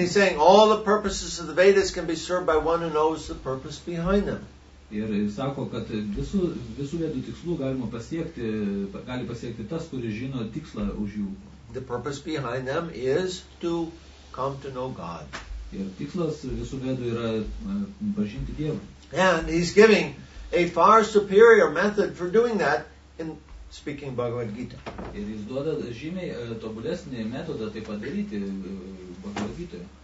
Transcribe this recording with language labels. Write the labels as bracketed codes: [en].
[en] he's saying all the purposes of the Vedas can be served by one who knows the purpose behind them. [lt] Ir sako, kad visų vedų tikslų galima pasiekti, gali pasiekti tas, kuris žino tikslą už jų. [en] The purpose behind them is to come to know God. [lt] Ir tikslas visų vedų yra pažinti Dievą. [en] And he's giving a far superior method for doing that in speaking Bhagavad Gita. [lt] Ir jis duoda žymiai tobulesnį metodą tai padaryti Bhagavad Gita.